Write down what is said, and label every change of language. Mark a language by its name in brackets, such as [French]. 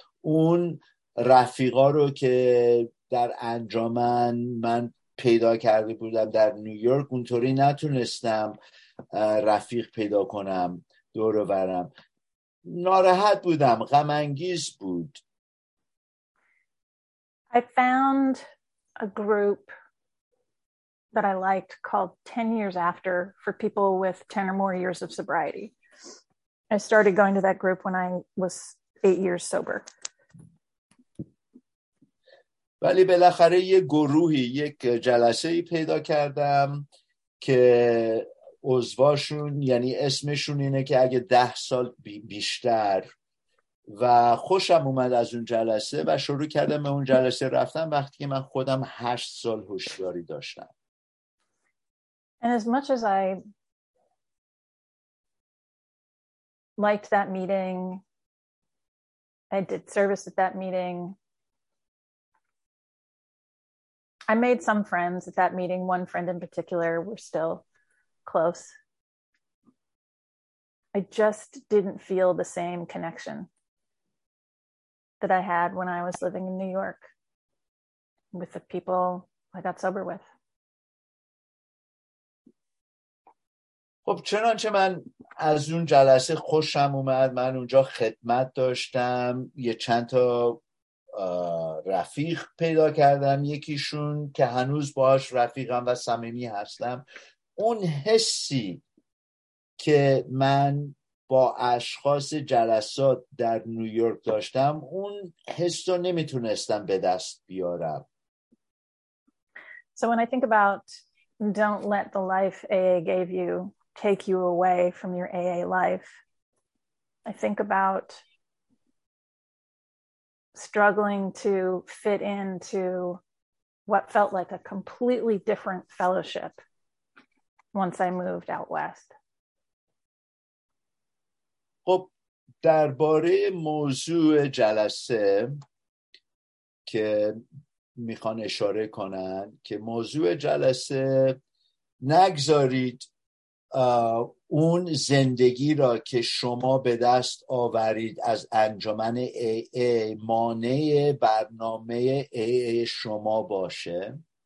[Persian] اون رفیقا رو که در انجامن من پیدا کرده بودم در نیویورک، اونطوری نتونستم رفیق پیدا کنم دور و برم. ناراحت بودم، غم انگیز بود. [English] I found a group that I liked called 10 Years After for people with 10 or more years of sobriety. I started going to that group when I was 8 years sober. [Persian] ولی بالاخره یه گروهی، یک جلسه ای پیدا کردم که عضواشون، یعنی اسمشون اینه که اگه 10 سال بیشتر، و خوشم اومد از اون جلسه و شروع کردم به اون جلسه رفتم وقتی که من خودم 8 سال هوشیاری داشتم. [English] And as much as I liked that meeting. I did service at that meeting. I made some friends at that meeting. One friend in particular, we're still close. I just didn't feel the same connection that I had when I was living in New York with the people I got sober with. [Persian] خب چنانچه من از اون جلسه خوشم اومد، من اونجا خدمت داشتم، یه چند تا رفیق پیدا کردم، یکیشون که هنوز باهاش رفیقم و صمیمی هستم. اون حسی که من با اشخاص جلسات در نیویورک داشتم، اون حس رو نمیتونستم به دست بیارم. [English] So when I think about don't let the life AA gave you take you away from your AA life, I think about struggling to fit into what felt like a completely different fellowship once I moved out west. [Persian] خب درباره موضوع جلسه که میخوان اشاره کنن، که موضوع جلسه نگذارید اون زندگی را که شما به دست آورید از انجمن AA مانع برنامه AA شما باشه.